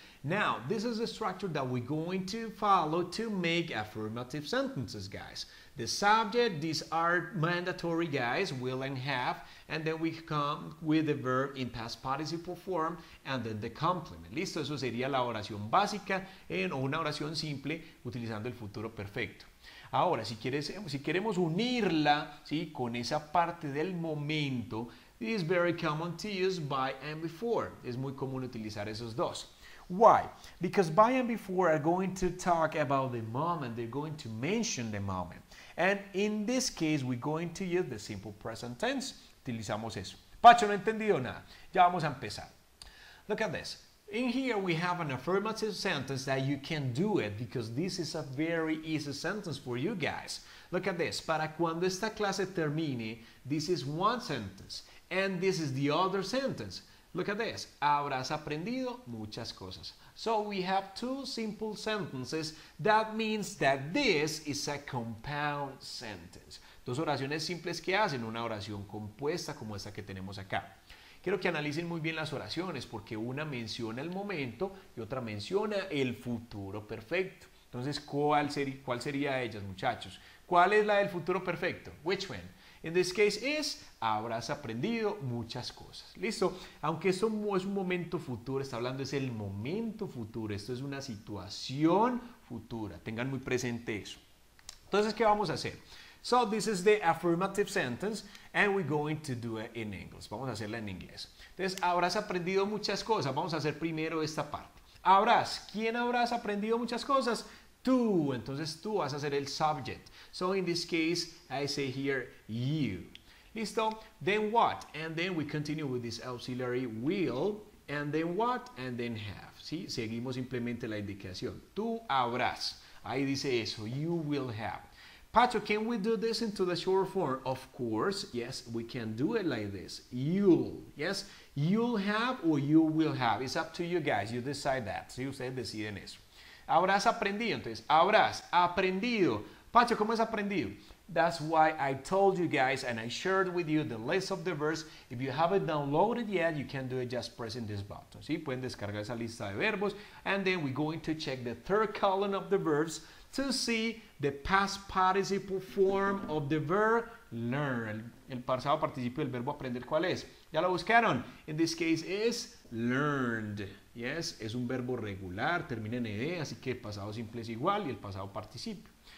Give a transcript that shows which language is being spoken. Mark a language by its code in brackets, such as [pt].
[en] Now, this is the structure that we're going to follow to make affirmative sentences, guys. The subject, these are mandatory, guys, will and have, and then we come with the verb in past participle form, and then the complement. [es] Listo, eso sería la oración básica en una oración simple utilizando el futuro perfecto. Ahora, si queremos unirla, ¿sí?, con esa parte del momento, [en] it is very common to use by and before. [es] Es muy común utilizar esos dos. [en] Why? Because by and before are going to talk about the moment. They're going to mention the moment. And in this case, we're going to use the simple present tense. [es] Utilizamos eso. Pacho, no he entendido nada. Ya vamos a empezar. [en] Look at this. In here, we have an affirmative sentence that you can do it because this is a very easy sentence for you guys. Look at this. [es] Para cuando esta clase termine, [en] this is one sentence. And this is the other sentence. Look at this. [es] Habrás aprendido muchas cosas. [en] So we have two simple sentences. That means that this is a compound sentence. [es] Dos oraciones simples que hacen una oración compuesta como esta que tenemos acá. Quiero que analicen muy bien las oraciones porque una menciona el momento y otra menciona el futuro perfecto. Entonces, ¿cuál sería de ellas, muchachos? ¿Cuál es la del futuro perfecto? [en] Which one? In this case is, [es] habrás aprendido muchas cosas. ¿Listo? Aunque eso no es un momento futuro, está hablando, es el momento futuro. Esto es una situación futura. Tengan muy presente eso. Entonces, ¿qué vamos a hacer? [en] So, this is the affirmative sentence and we're going to do it in English. [es] Vamos a hacerla en inglés. Entonces, habrás aprendido muchas cosas. Vamos a hacer primero esta parte. Habrás. ¿Quién habrás aprendido muchas cosas? Tú, entonces tú vas a ser el subject. [en] So in this case, I say here, you. ¿Listo? Then what? And then we continue with this auxiliary, will. And then what? And then have. ¿Sí? [es] Seguimos simplemente la indicación. Tú habrás. Ahí dice eso. [en] You will have. Pacho, can we do this into the short form? Of course, yes, we can do it like this. You'll, yes? You'll have or you will have. It's up to you guys. You decide that. ¿Sí? [es] Ustedes deciden eso. Habrás aprendido, entonces, habrás aprendido. Pacho, ¿cómo es aprendido? [en] That's why I told you guys and I shared with you the list of the verbs. If you haven't downloaded yet, you can do it just pressing this button. [es] ¿Sí? Pueden descargar esa lista de verbos. [en] And then we're going to check the third column of the verbs to see the past participle form of the verb learn. [es] El pasado participio del verbo aprender, ¿cuál es? ¿Ya lo buscaron? [en] In this case is learned. [es] Yes, es un verbo regular, termina en ed, así que el pasado simple es igual y el pasado participio.